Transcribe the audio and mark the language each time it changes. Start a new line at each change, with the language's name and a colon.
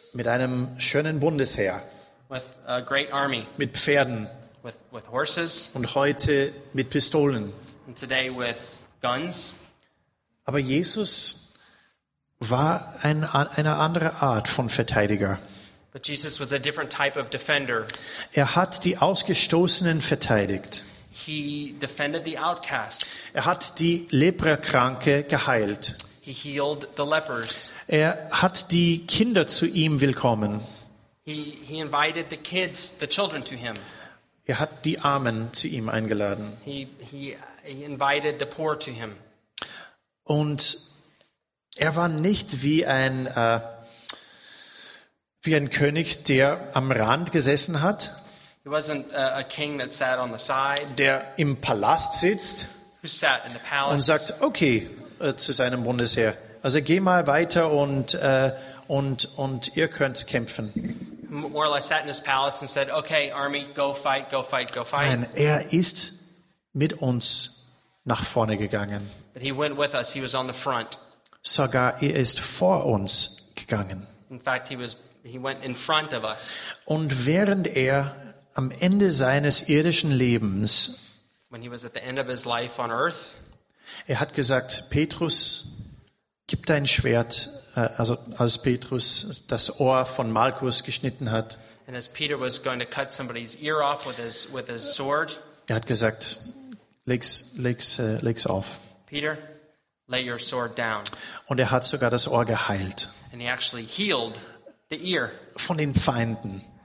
German: Mit einem schönen Bundesheer.
English: With a great army.
German: Mit Pferden.
English: With horses.
German: Und heute mit Pistolen.
English: And today with guns.
German: Aber Jesus war eine andere Art von Verteidiger.
English: But Jesus was a different type of defender.
German: Er hat die Ausgestoßenen verteidigt.
English: He defended the outcast.
German: Er hat die Leprakranke geheilt.
English: He healed the lepers.
German: Er hat die Kinder zu ihm willkommen.
English: He invited the kids, the children to him.
German: Er hat die Armen zu ihm eingeladen.
English: He invited the poor to him.
German: Und er war nicht wie ein König, der am Rand gesessen hat.
English: He wasn't a king that sat on the side.
German: Der im Palast sitzt.
English: Who sat in the palace.
German: Und sagt, okay, zu seinem Bundesheer. Also geh mal weiter und ihr könnt kämpfen.
English: More or less sat in his palace and said, okay, army, go fight, go fight, go fight.
German: Nein, er ist mit uns nach vorne gegangen.
English: But he went with us. He was on the front.
German: Sogar er ist vor uns gegangen.
English: In fact, he went in front of us.
German: Und während er am Ende seines irdischen Lebens,
English: when he was at the end of his life on earth,
German: er hat gesagt, Petrus, gib dein Schwert, also als Petrus das Ohr von Malchus geschnitten hat.
English: And as Peter was going to cut somebody's ear off with his sword,
German: er hat gesagt, leg's auf.
English: Peter, lay your sword down.
German: Und er hat sogar das Ohr geheilt.
English: And he actually healed the ear.
German: Von den Feinden.